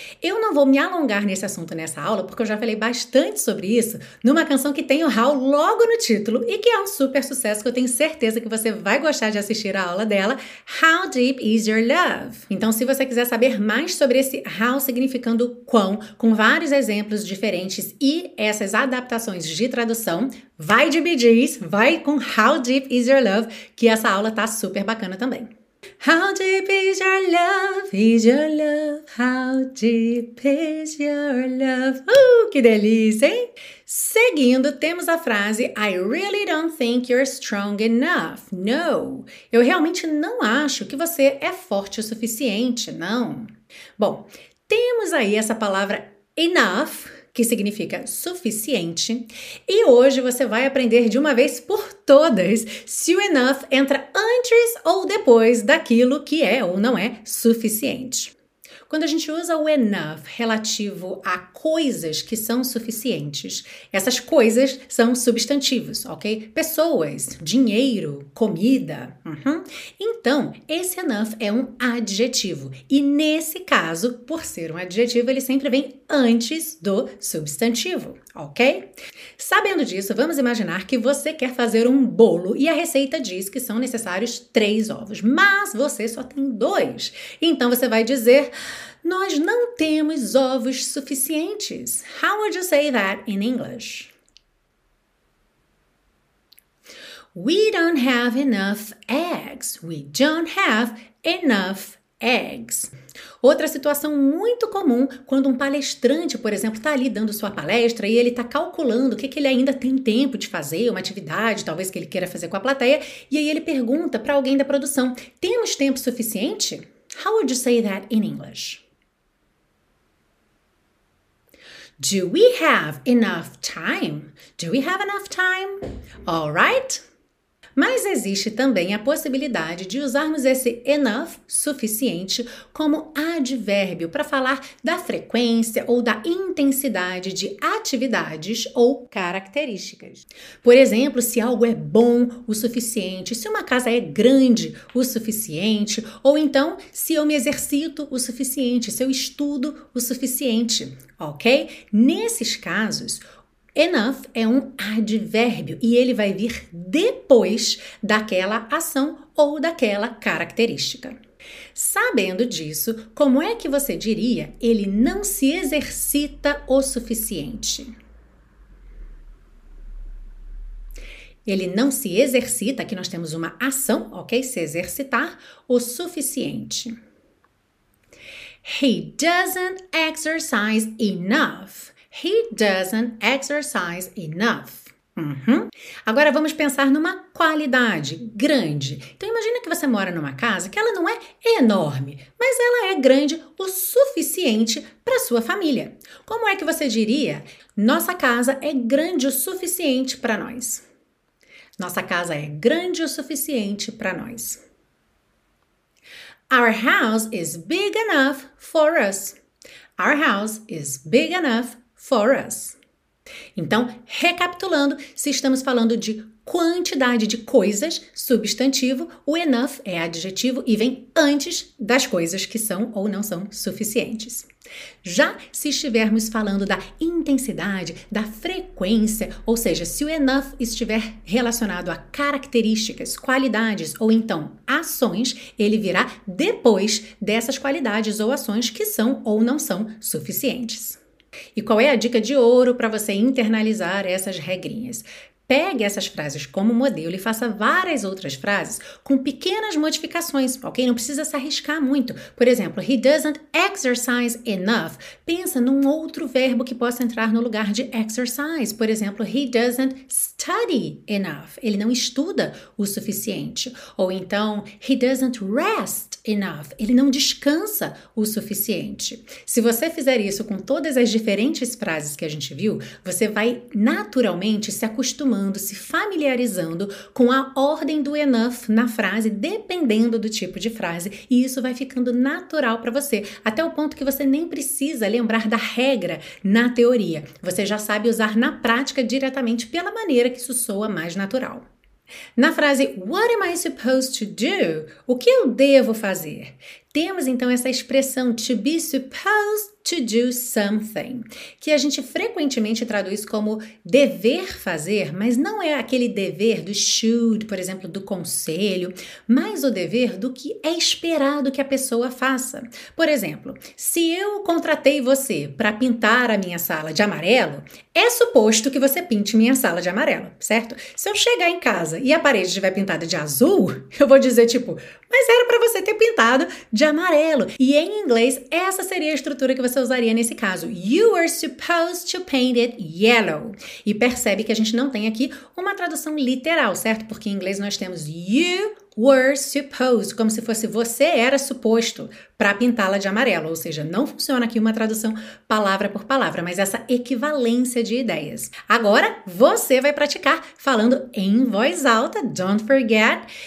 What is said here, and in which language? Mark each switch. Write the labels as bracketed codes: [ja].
[pt] Eu não vou me alongar nesse assunto nessa aula, porque eu já falei bastante sobre isso numa canção que tem o how logo no título e que é um super sucesso que eu tenho certeza que você vai gostar de assistir a aula dela, How Deep Is Your Love? Então, se você quiser saber mais sobre esse how significando quão, com vários exemplos diferentes e essas adaptações de tradução, vai de Bee Gees, vai com How Deep Is Your Love, que essa aula tá super bacana também. [en] How deep is your love, how deep is your love. [pt] Que delícia, hein? Seguindo, temos a frase [en] I really don't think you're strong enough, no. [pt] Eu realmente não acho que você é forte o suficiente, não. Bom, temos aí essa palavra enough, que significa suficiente. E hoje você vai aprender de uma vez por todas se o enough entra antes ou depois daquilo que é ou não é suficiente. Quando a gente usa o enough relativo a coisas que são suficientes, essas coisas são substantivos, ok? Pessoas, dinheiro, comida. Então, esse enough é um adjetivo. E nesse caso, por ser um adjetivo, ele sempre vem antes do substantivo, ok? Sabendo disso, vamos imaginar que você quer fazer um bolo e a receita diz que são necessários 3 ovos, mas você só tem 2. Então você vai dizer: nós não temos ovos suficientes. [en] How would you say that in English? We don't have enough eggs. We don't have enough eggs. [pt] Outra situação muito comum quando um palestrante, por exemplo, está ali dando sua palestra e ele está calculando o que que ele ainda tem tempo de fazer, uma atividade talvez que ele queira fazer com a plateia, e aí ele pergunta para alguém da produção: temos tempo suficiente? [en] How would you say that in English? Do we have enough time? Do we have enough time? All right? [pt] Mas existe também a possibilidade de usarmos esse enough, suficiente, como advérbio para falar da frequência ou da intensidade de atividades ou características. Por exemplo, se algo é bom o suficiente, se uma casa é grande o suficiente, ou então se eu me exercito o suficiente, se eu estudo o suficiente, ok? Nesses casos, enough é um advérbio e ele vai vir depois daquela ação ou daquela característica. Sabendo disso, como é que você diria: ele não se exercita o suficiente? Ele não se exercita, aqui nós temos uma ação, ok? Se exercitar o suficiente. [en] He doesn't exercise enough. He doesn't exercise enough. [pt] Agora vamos pensar numa qualidade grande. Então imagina que você mora numa casa que ela não é enorme, mas ela é grande o suficiente para sua família. Como é que você diria: nossa casa é grande o suficiente para nós? Nossa casa é grande o suficiente para nós. [en] Our house is big enough for us. Our house is big enough for us. [pt] Então, recapitulando, se estamos falando de quantidade de coisas, substantivo, o enough é adjetivo e vem antes das coisas que são ou não são suficientes. Já se estivermos falando da intensidade, da frequência, ou seja, se o enough estiver relacionado a características, qualidades ou então ações, ele virá depois dessas qualidades ou ações que são ou não são suficientes. E qual é a dica de ouro para você internalizar essas regrinhas? Pegue essas frases como modelo e faça várias outras frases com pequenas modificações, ok? Não precisa se arriscar muito. Por exemplo, [en] he doesn't exercise enough. [pt] Pensa num outro verbo que possa entrar no lugar de exercise. Por exemplo, [en] he doesn't study enough. [pt] Ele não estuda o suficiente. Ou então, [en] he doesn't rest enough. [pt] Ele não descansa o suficiente. Se você fizer isso com todas as diferentes frases que a gente viu, você vai naturalmente se acostumando, se familiarizando com a ordem do enough na frase, dependendo do tipo de frase, e isso vai ficando natural para você, até o ponto que você nem precisa lembrar da regra na teoria. Você já sabe usar na prática diretamente pela maneira que isso soa mais natural. Na frase [en] What am I supposed to do? [pt] O que eu devo fazer? Temos então essa expressão [en] to be supposed to do something, [pt] que a gente frequentemente traduz como dever fazer, mas não é aquele dever do should, por exemplo, do conselho, mas o dever do que é esperado que a pessoa faça. Por exemplo, se eu contratei você para pintar a minha sala de amarelo, é suposto que você pinte minha sala de amarelo, certo? Se eu chegar em casa e a parede estiver pintada de azul, eu vou dizer tipo: mas era para você ter pintado de amarelo. E em inglês, essa seria a estrutura que você usaria nesse caso. [en] You were supposed to paint it yellow. [pt] E percebe que a gente não tem aqui uma tradução literal, certo? Porque em inglês nós temos [en] you were supposed, [pt] como se fosse você era suposto, para pintá-la de amarelo. Ou seja, não funciona aqui uma tradução palavra por palavra, mas essa equivalência de ideias. Agora, você vai praticar falando em voz alta, [en] don't forget.